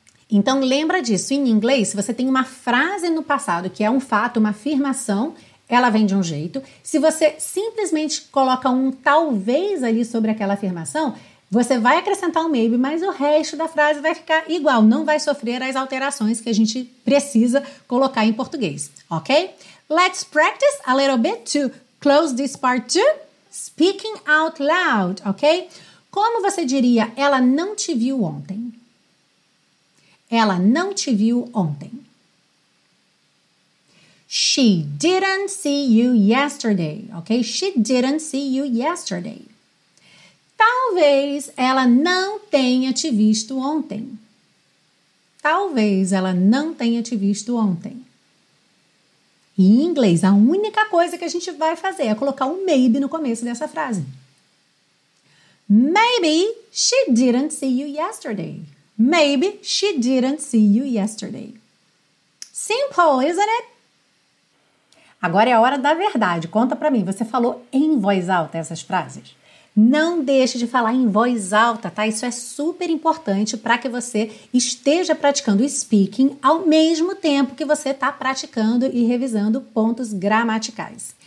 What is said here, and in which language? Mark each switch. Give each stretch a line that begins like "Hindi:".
Portuguese: Então lembra disso, em inglês, se você tem uma frase no passado que é um fato, uma afirmação, ela vem de um jeito. Se você simplesmente coloca um talvez ali sobre aquela afirmação, você vai acrescentar um maybe, mas o resto da frase vai ficar igual, não vai sofrer as alterações que a gente precisa colocar em português, ok?
English: Let's practice a little bit to close this part to speaking out loud, ok?
Portuguese: Como você diria, ela não te viu ontem? Ela não te viu ontem.
English: She didn't see you yesterday, ok? She didn't see you yesterday.
Portuguese: Talvez ela não tenha te visto ontem. Talvez ela não tenha te visto ontem. Em inglês, a única coisa que a gente vai fazer é colocar um maybe no começo dessa frase.
English: Maybe she didn't see you yesterday. Maybe she didn't see you yesterday. Simple, isn't it?
Portuguese: Agora é a hora da verdade. Conta pra mim, você falou em voz alta essas frases? Não deixe de falar em voz alta, tá? Isso é super importante para que você esteja praticando speaking ao mesmo tempo que você está praticando e revisando pontos gramaticais.